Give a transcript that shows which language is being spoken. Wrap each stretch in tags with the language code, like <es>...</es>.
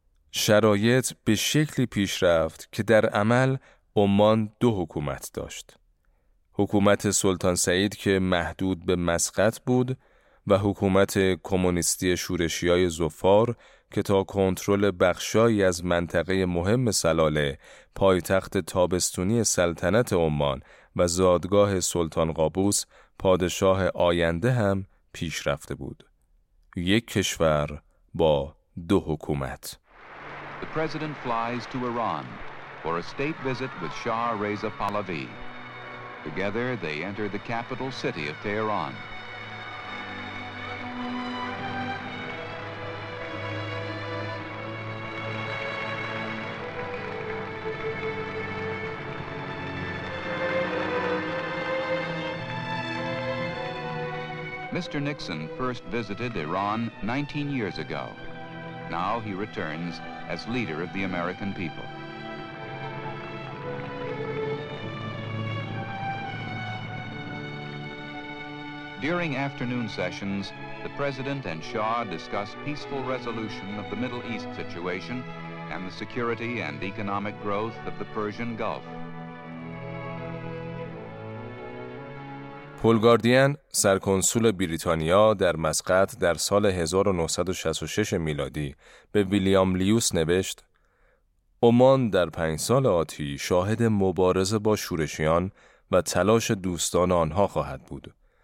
<fa>شرایط به شکلی پیش رفت که در عمل عمان دو حکومت داشت: حکومت سلطان سعید که محدود به مسقط بود و حکومت کمونیستی شورشیای ظفار که تا کنترل بخشایی از منطقه مهم سلاله، پایتخت تابستونی سلطنت عمان و زادگاه سلطان قابوس پادشاه آینده هم پیش رفته بود. یک کشور با دو حکومت.</fa> <en>The president flies to Iran for a state visit with Shah Reza Pahlavi. Together they enter the capital city of Tehran. Mr. Nixon first visited Iran 19 years ago. Now he returns as leader of the American people. During afternoon sessions, the President and Shah discuss peaceful resolution of the Middle East situation and the security and economic growth of the Persian Gulf.</en> <fa>پول گاردین، سرکنسول بریتانیا در مسقط در سال 1966 میلادی به ویلیام لیوس نوشت: عمان در 5 سال آتی شاهد مبارزه با شورشیان و تلاش دوستان آنها خواهد بود</fa>